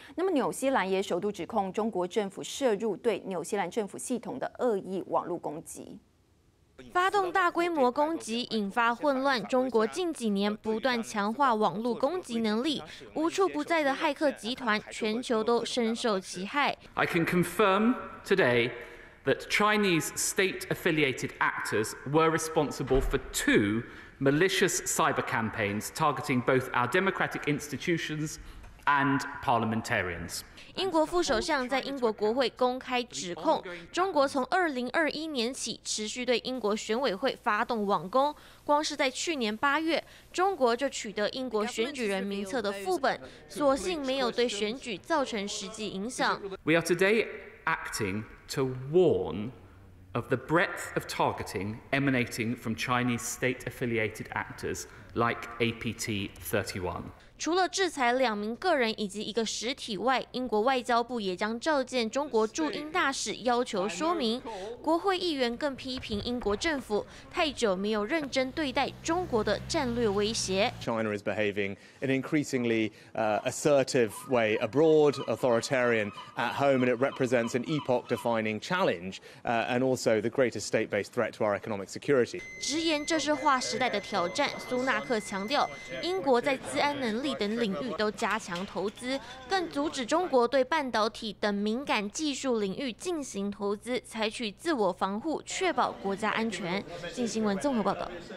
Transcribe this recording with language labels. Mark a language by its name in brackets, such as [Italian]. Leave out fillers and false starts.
[Chinese] 那么纽西兰也首度指控中国政府涉入对纽西兰政府系统的恶意网络攻击。发动大规模攻击引发混乱，中国近几年不断强化网络攻击能力，无处不在的骇客集团全球都深受其害。 [English] I can confirm today that Chinese state affiliated actors were responsible for 2 malicious cyber campaigns targeting both our democratic institutions and parliamentarians. [Chinese] 英国副首相在英国国会公开指控中国从2021年起持续对英国选委会发动网攻，光是在去年8月，中国就取得英国选举人名册的副本，所幸没有对选举造成实际影响。 [English] We are today acting to warn of the breadth of targeting emanating from Chinese state affiliated actors like APT31. [Chinese] 除了制裁2名个人以及一个实体外，英国外交部也将召见中国驻英大使要求说明。国会议员更批评英国政府太久没有认真对待中国的战略威胁。 [English] China is behaving in increasingly assertive way abroad, authoritarian at home, and it represents an epoch-defining challenge, and also the greatest state-based threat to our economic security. [Chinese] 直言这是划时代的挑战，苏纳克强调，英国在资安能力。力等领域都加强投资，更阻止中国对半导体等敏感技术领域进行投资，采取自我防护，确保国家安全。镜新闻综合报道。